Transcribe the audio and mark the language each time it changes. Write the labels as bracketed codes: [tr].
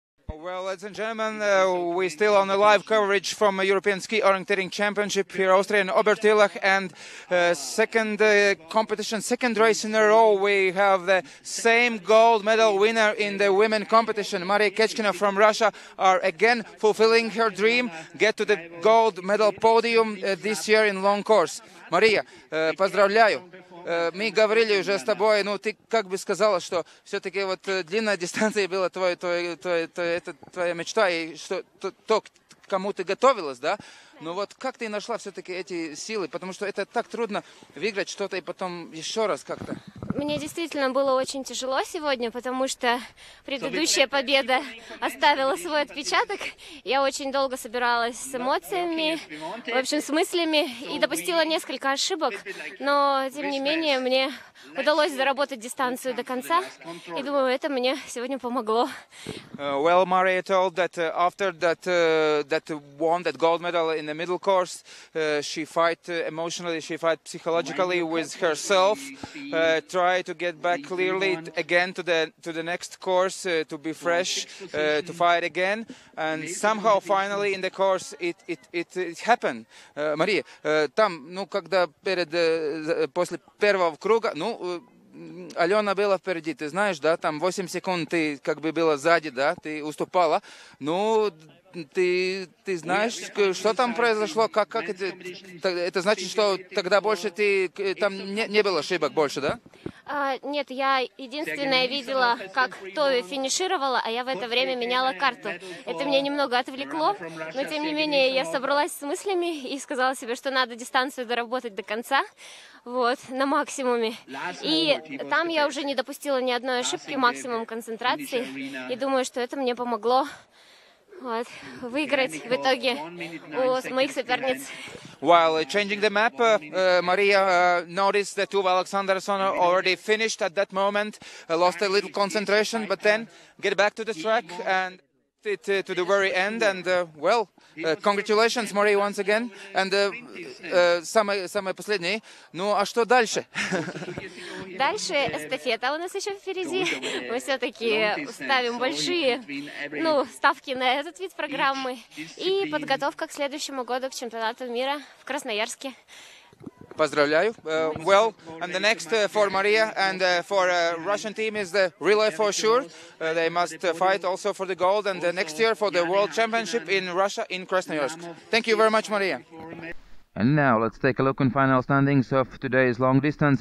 [en] Well, ladies and gentlemen, we're still on the live coverage from the European Ski Orienteering Championship here in Austria in Obertilliach, and second competition, second race in a row, we have the same gold medal winner in the women competition. Mariya Kechkina from Russia are again fulfilling her dream, get to the gold medal podium this year in long course. [ru] Мария, поздравляю. Мы говорили уже с тобой, ну ты как бы сказала, что все-таки вот длинная дистанция была твоя мечта, и что то, к кому ты готовилась, да? Но вот как ты нашла все-таки эти силы? Потому что это так трудно выиграть что-то и потом еще раз как-то. Мне действительно было очень тяжело сегодня, потому что предыдущая победа оставила свой отпечаток. Я очень долго собиралась с эмоциями, в общем, с мыслями, и допустила несколько ошибок. Но, тем не менее, мне удалось заработать дистанцию до конца, и думаю, это мне сегодня помогло. [en] Well, Maria told that after that that won that gold medal in the middle course, she fight emotionally, she fight psychologically with herself, try to get back clearly again to the next course, to be fresh, to fight again, and somehow finally in the course it happened. [ru] Maria, там, ну когда перед после первого круга, ну Алена была впереди, ты знаешь, да, там 8 секунд ты как бы была сзади, да, ты уступала. Ну, ты знаешь, что там произошло, как это значит, что тогда больше ты, там не было ошибок больше, да? Нет, я единственное видела, как Тови финишировала, а я в это время меняла карту. Это меня немного отвлекло, но тем не менее я собралась с мыслями и сказала себе, что надо дистанцию доработать до конца. Вот, на максимуме. И там я уже не допустила ни одной ошибки, максимум концентрации. И думаю, что это мне помогло вот, выиграть в итоге у моих соперниц. [en] While changing the map, Maria noticed that Tove Alexandersson already finished at that moment, lost a little concentration, but then get back to the track and it to the very end, and well, congratulations, Maria, once again, and [ru] самое последнее. Ну, а что дальше? Дальше эстафета у нас еще впереди. Мы все-таки ставим большие, ну, ставки на этот вид программы и подготовка к следующему году к чемпионату мира в Красноярске. Поздравляю. [en] Well, and the next for Maria and for Russian team is the relay for sure. They must fight also for the gold and the next year for the World Championship in Russia in Krasnoyarsk. Thank you very much, Maria. And now let's take a look in final standings of today's long distance.